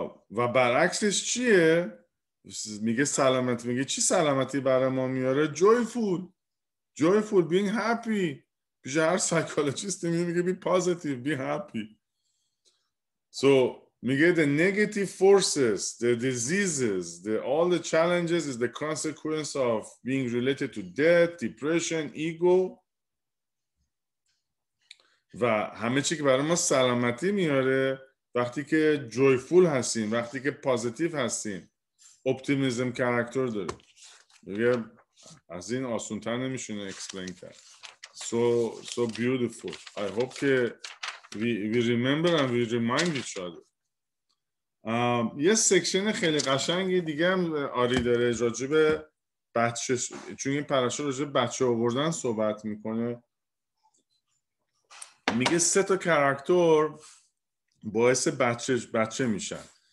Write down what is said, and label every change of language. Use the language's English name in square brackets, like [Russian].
[Persian] و برعکسش چیه؟ میگه سلامت، میگه چی سلامتی برای ما میاره؟ [English] Joyful. Joyful, being happy. [Persian] پیش هر [English] سایکولوژیستی میگه be positive, be happy. So, [Persian] میگه [English] the negative forces, the diseases, the all the challenges is the consequence of being related to death, depression, ego. [Persian] و همه چی که برای ما سلامتی میاره وقتی که joyful هستیم، وقتی که positive هستیم، optimism character داره. میگه از این آسان‌تر نمیشونه explain کرد. [English] So beautiful. I hope [Persian] که [English] we remember and we remind each other. [Persian] یه سکشن خیلی قشنگی دیگه هم آری داره راجب بچه، چون این پرشا راجب بچه آوردن صحبت میکنه. میگه سه تا کاراکتر باعث بچه میشن.